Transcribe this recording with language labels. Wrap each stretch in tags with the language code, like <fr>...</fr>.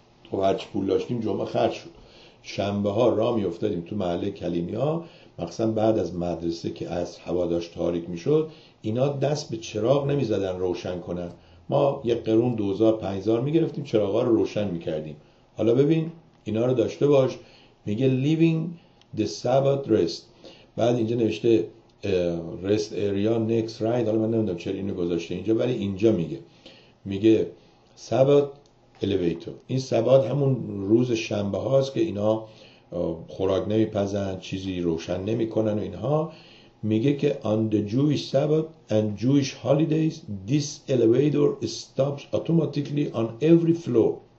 <fa>تو هرچی پول داشتیم جمعه خرج شد، شنبه ها را میافتادیم تو محله کلیمی ها، مخصوصا بعد از مدرسه که از هوا داشت تاریک میشد، اینا دست به چراغ نمیزدن روشن کنن، ما یک قرون 2000-5000 میگرفتیم چراغ ها رو روشن میکردیم. حالا ببین اینا رو داشته باش. میگه</fa> <en>leaving the Sabbath rest.</en> <fa>بعد اینجا نوشته</fa> <en>rest area next ride.</en> <fa>حالا من نمیدونم چرا اینو گذاشته اینجا، ولی اینجا میگه سبات الیویتور. این سبات همون روز شنبه هاست که اینا خوراک نمیپزن، چیزی روشن نمیکنن و اینها. میگه که</fa> <en>on the Jewish Sabbath and Jewish holidays this elevator stops automatically on every floor.</en>